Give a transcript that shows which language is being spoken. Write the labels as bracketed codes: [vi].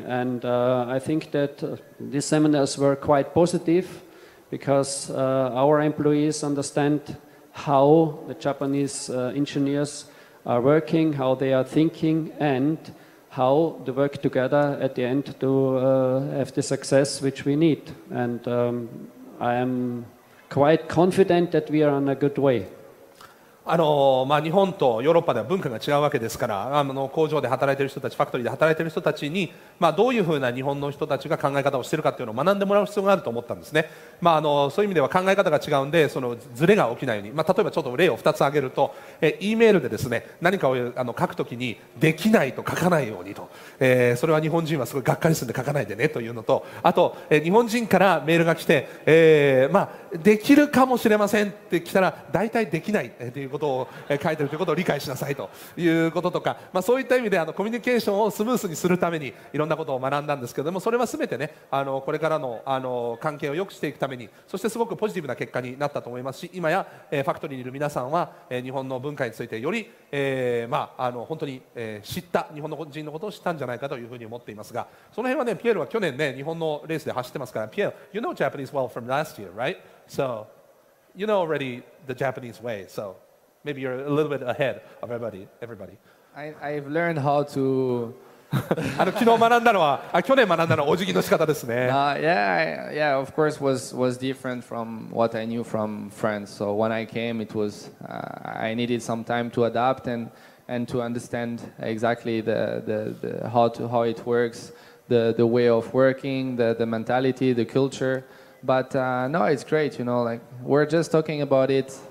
[en] And I think that these seminars were quite positive, because our employees understand how the Japanese engineers are working, how they are thinking, and how to work together at the end to have the success which we need. And I am quite confident that we are on a good way. [ja] まあ、日本とヨーロッパでは文化が違うわけですから、工場で働いている人たち、ファクトリーで働いている人たちに、まあ、どういうふうな日本の人たちが考え方をしているかというのを学んでもらう必要があると思ったんですね。まあ、そういう意味では考え方が違うんで、そのズレが起きないように、まあ、例えばちょっと例を2つ挙げると、E メールでですね、何かを書くときにできないと書かないようにと、それは日本人はすごいがっかりするんで書かないでねというのと、あと、日本人からメールが来て、まあ、できるかもしれませんって来たら大体できないということを書いてるということを理解しなさいということとか、まあ、そういった意味でコミュニケーションをスムースにするためにいろんなことを学んだんですけども、それは全てね、これから の関係を良くしていくために、そしてすごくポジティブな結果になったと思いますし、今や、ファクトリーにいる皆さんは、日本の文化についてより、まあ、本当に、知った日本の人のことを知ったんじゃないかというふうに思っていますが、その辺はね、ピエールは去年ね、日本のレースで走ってますから、ピエール、 [en] You know Japanese well from last year, right? So, you know already the Japanese way, so maybe you're a little bit ahead of everybody. I've learned how to... [ja] 昨日学んだのは、去年学んだのはお辞儀の仕方ですね。 [en] Yeah, of course was different from what I knew from France. So when I came, it was, I needed some time to adapt and to understand exactly the how it works, the way of working, the mentality, the culture. But no, it's great, you know, like we're just talking about it